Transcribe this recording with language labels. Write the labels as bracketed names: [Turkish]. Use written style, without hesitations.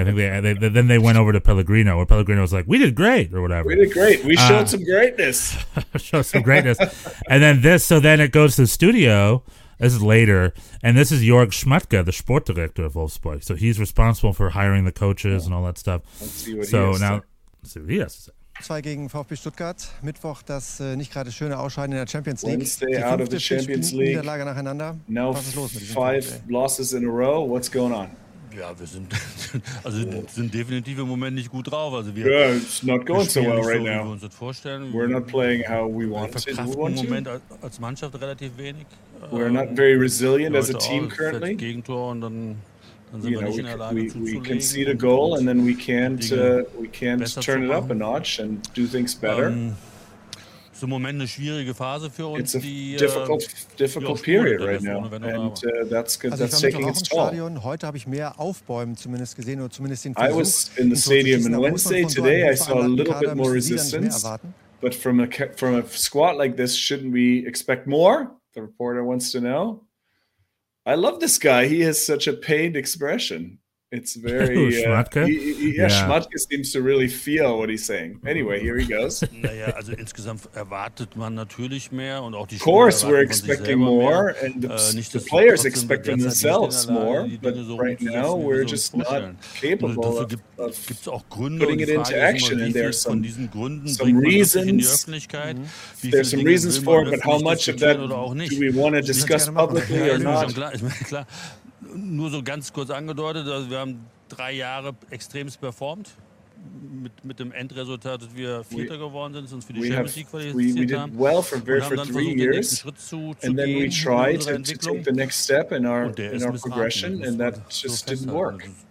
[English] I think they went over to Pellegrino, where Pellegrino was like, "We did great," or whatever. We did great. We showed some greatness. Showed some greatness. And then then it goes to the studio. This is later, and this is Jörg Schmatke, the sport director of Wolfsburg. So he's responsible for hiring the coaches and all that stuff. Let's see what he has to say. [German] 2 gegen VfB Stuttgart. Mittwoch, das nicht gerade schöne Ausscheiden in der Champions League. [English] Wednesday out of the Champions League. [German] Niederlage nacheinander. [English] Now 5 losses in a row. What's going on? [German] Ja, wir sind also sind definitiv im Moment nicht gut drauf. Also wir, [English] it's not going so well right now. [German] Wir uns das vorstellen. [English] We're not playing how we want to. [German] Wir verkraften im Moment als Mannschaft relativ wenig. [English] We're not very resilient as a team currently. [German] Gegentor und dann sind wir nicht in der Lage zuzulegen. [English] We concede a goal and then we can't turn it up a notch and do things better. [German] Es ist im Moment eine schwierige Phase für uns. [English] It's a difficult period right now. And that's taking its toll. [German] Heute habe ich mehr Aufbäumen zumindest gesehen oder zumindest den Versuch. [English] I was in the stadium on Wednesday. Today I saw a little bit more resistance. But from a squad like this, shouldn't we expect more? The reporter wants to know. I love this guy. He has such a pained expression. It's very Schmatke. Schmatke seems to really feel what he's saying. Anyway, here he goes. [German] Naja, also insgesamt erwartet man natürlich mehr und auch die Spieler erwarten von sich selber mehr. [English] Of course, we're expecting more, and the players expect themselves more. But right now, we're just not capable of putting it into action. And there are some reasons. There's some reasons for it, but how much of that do we want to discuss publicly or not? [German] Nur so ganz kurz angedeutet, also wir haben 3 Jahre extremst performt mit dem Endresultat, dass wir Vierter geworden sind, uns für die Champions League qualifiziert haben. [English] Well for very for 3 years and then we tried to take the next step in our progression and that just didn't work.